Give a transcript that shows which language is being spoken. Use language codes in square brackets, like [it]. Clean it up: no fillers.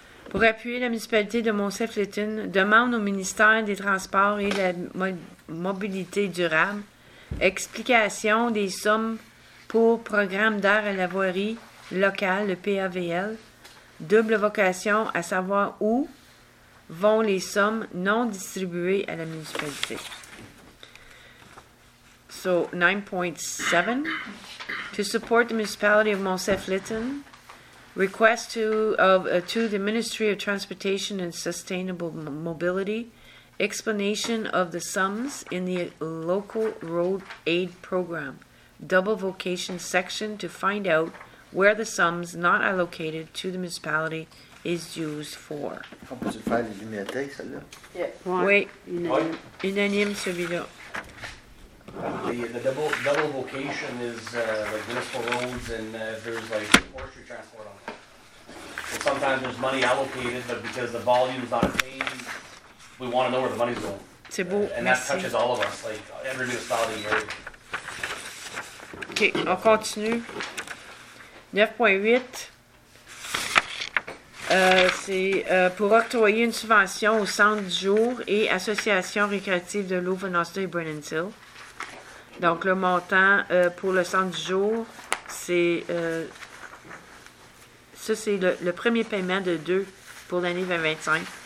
[fr] Pour appuyer la municipalité de Mont-Saint-Flétin, demande au ministère des Transports et de la Mobilité durable explication des sommes pour programme d'air à la voirie locale, le PAVL, double vocation, à savoir où vont les sommes non distribuées à la municipalité. [en] So, 9.7, to support the municipality of Mont-Saint-Flétin, request to the Ministry of Transportation and Sustainable Mobility, explanation of the sums in the local road aid program, double vocation section, to find out where the sums not allocated to the municipality is used for. [fr] On peut se faire l'illuminer, celle-là? Oui. Unanime, celui-là. [en] The double vocation is like municipal roads, and there's like forestry transport on that. And sometimes there's money allocated, but because the volume is not attained, we want to know where the money's going. [fr] C'est beau. [en] And that touches all of us, like every municipality area. [fr] Okay, on continue. 9.8, pour octroyer une subvention au Centre du jour et Association récréative de Louvain-Noster et Brennan's Hill. Donc, le montant pour le Centre du jour, c'est le premier paiement de deux pour l'année 2025.